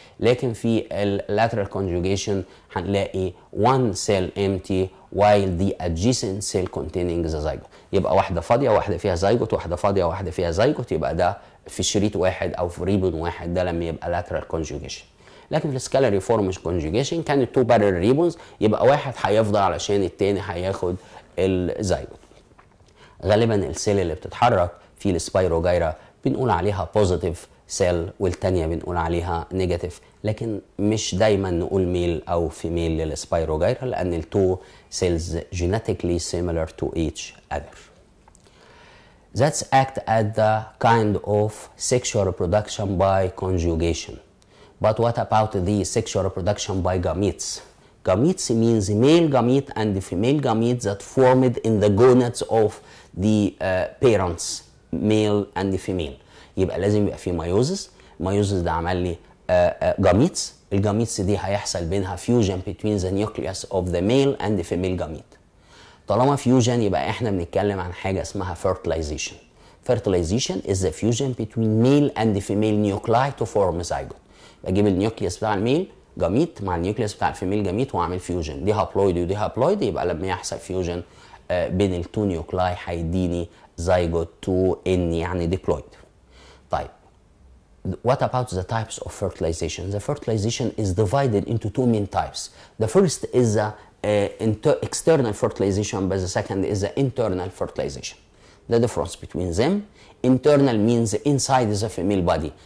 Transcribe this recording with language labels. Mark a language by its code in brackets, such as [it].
[ar] لكن في [en] اللاترال كونجوجيشن هنلاقي one cell empty while the adjacent cell containing the zygote. [ar] يبقى واحده فاضيه واحده فيها زايجوت, واحده فاضيه واحده فيها زايجوت. يبقى ده في شريط واحد او في ريبون واحد, ده لما يبقى لاترال كونجوجيشن. لكن في السكالري فورم كونجوجيشن كان التو بارل ريبونز, يبقى واحد هيفضل علشان التاني هياخد الزايجوت. غالبا السيل اللي بتتحرك في السبايرو جايرا بنقول عليها بوزيتيف سيل والتانية بنقول عليها نيجاتيف, لكن مش دايما نقول ميل او فيميل للسبايرو جايرا لان التو سيلز جيناتيكلي سيميلر تو ايتش اذر. [en] That's act at the kind of sexual reproduction by conjugation. But what about the sexual reproduction by gametes? Gametes means male gamete and female gamete that formed in the gonads of the parents, male and female. [ar] يبقى لازم يبقى في meiosis. [en] Meiosis ده عمل لي gametes. [ar] الgametes دي هيحصل بينها [en] fusion between the nucleus of the male and the female gamete. [ar] طالما fusion يبقى احنا بنتكلم عن حاجة اسمها fertilization. [en] Fertilization is the fusion between male and the female nuclei to form a zygote. [ar] اجيب النيوكليس بتاع الميل جاميت مع النيوكليس بتاع الفيميل جاميت واعمل فيوجن, دي هابلويد ودي هابلويد. يبقى لما يحصل فيوجن بين التو نيوكلاي هيديني زايجوت 2 ان يعني ديبلويد. طيب [en] what about the types of fertilization? The fertilization is divided into two main types. The first is the external fertilization, but the second is the internal fertilization. The difference between them, internal means inside the female body.